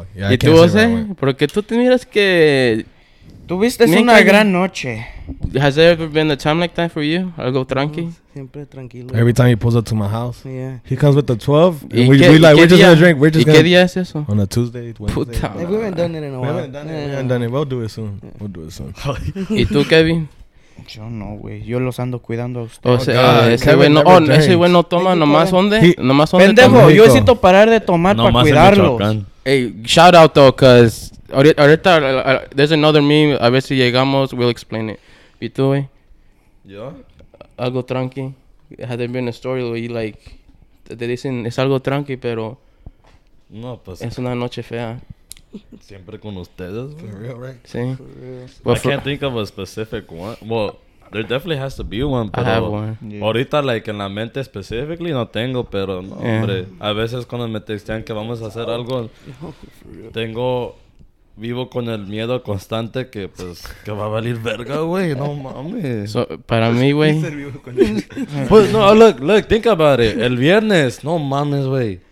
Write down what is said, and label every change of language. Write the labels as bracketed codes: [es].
[es] Y tú, José, porque tú te miras que tuviste una gran noche. [en] Has there ever been a time like that for you? [es] Algo tranqui? Siempre tranquilo. [en] Every time he pulls up to my house. Yeah. He comes with the 12. And we're just going to drink. We're just [es] ¿Qué día es eso? [en] On a Tuesday, Wednesday. Puta. Hey, we haven't done it in a while. We haven't done it. We'll do it soon. Yeah. We'll do it soon. [es] ¿Y tú, Kevin? Yo no, güey. Yo los ando cuidando a ustedes. Ese güey no toma. ¿Nomás dónde? ¿Nomás dónde? Pendejo, yo necesito parar de tomar para cuidarlos. [en] Hey, shout out, though, because ahorita, there's another meme. [es] A ver si llegamos, [en] we'll explain it. [es] ¿Y tú, güey? ¿Yo? Algo tranqui. [en] Has there been a story where you, like, [es] te dicen, es algo tranqui, pero... No, pues... Es una noche fea. Siempre con ustedes, [en] güey. For real, right? [es] Sí. [en] For real. I can't think of a specific one. Well, there definitely has to be one, pero... I have one. [es] Ahorita, like, en la mente specifically no tengo, pero, no, yeah. Hombre. A veces cuando me textean que vamos a hacer algo, tengo... Vivo con el miedo constante que, pues, que va a valer verga, güey. No mames. So, para mí, güey. Pues, no, [en] look, think about it. [es] El viernes, no mames, güey.